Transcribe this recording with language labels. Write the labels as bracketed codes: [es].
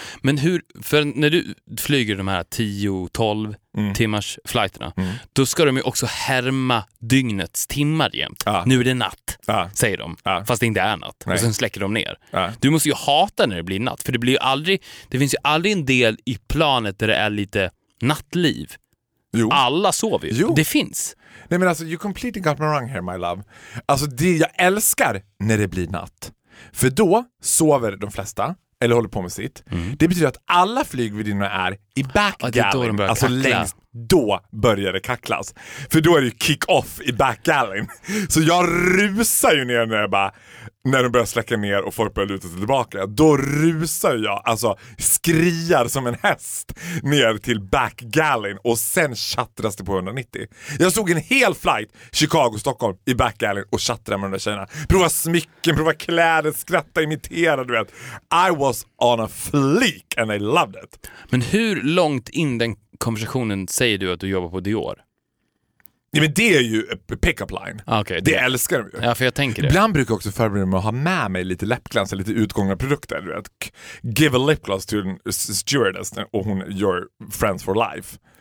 [sv] Men hur, för när du flyger de här 10-12 timmars flighterna, då ska de ju också härma dygnets timmar jämt. Nu är det natt, säger de. Fast det inte är natt. Nej. Och sen släcker de ner. Du måste ju hata när det blir natt. För det blir ju aldrig, det finns ju aldrig en del i planet där det är lite nattliv. Jo. Alla sover ju. Det finns. Nej, men alltså, [en] you completely got me wrong here, my love. [sv] Alltså, det jag älskar när det blir natt. För då sover de flesta eller håller på med sitt. Mm. Det betyder att alla flygvärdinnor är i backgallen. Alltså längst då börjar det kacklas. För då är det ju kick off i backgallen. Så jag rusar ju ner när de börjar släcka ner och folk börjar luta sig tillbaka. Då rusar jag, alltså skriar som en häst ner till backgallen och sen chattras det på 190. Jag såg en hel flight Chicago-Stockholm i backgallen och chattrade med de där tjejerna. Prova smycken, prova kläder, skratta, imitera, du vet. [en] I was on a fleek and I loved it. [sv] Men hur långt in den konversationen säger du att du jobbar på Dior? Ja, men det är ju pick-up line. [en] Okay, [sv] det älskar de ju. Ja, för jag tänker det. Ibland brukar jag också förbereda mig att ha med mig lite läppglans eller lite utgångna produkter. Du vet, [en] give a lip gloss to a stewardess [sv] och hon gör [en] friends for life.